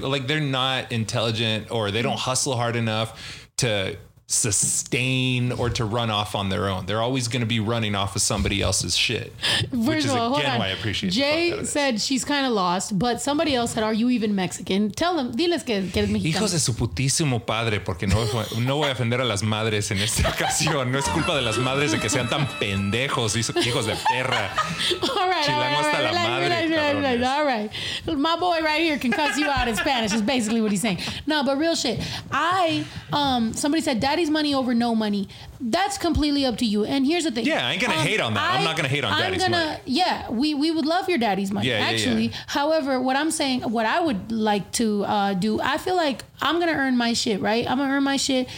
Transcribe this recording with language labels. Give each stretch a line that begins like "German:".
English: Like, they're not intelligent, or they don't hustle hard enough to sustain or to run off on their own. They're always going to be running off of somebody else's shit. Why I appreciate Jay said she's kind of lost, but somebody else said, are you even Mexican? Tell them,
Spanish: diles que es mexicano. Hijos de su putísimo padre, porque no voy a ofender a las madres en esta ocasión. No es culpa de las madres de que sean tan pendejos, hijos de perra.
English: All right. My boy right here can cuss you out in Spanish, is basically what he's saying. No, but real shit. Somebody said, daddy daddy's money over no money. That's completely up to you. And here's the thing. Yeah, I ain't gonna hate on that. I'm not gonna hate on daddy's money. Yeah, we would love your daddy's money, actually. Yeah, yeah. However, what I'm saying, what I would like to do, I feel like I'm gonna earn my shit, right? I'm gonna earn my shit.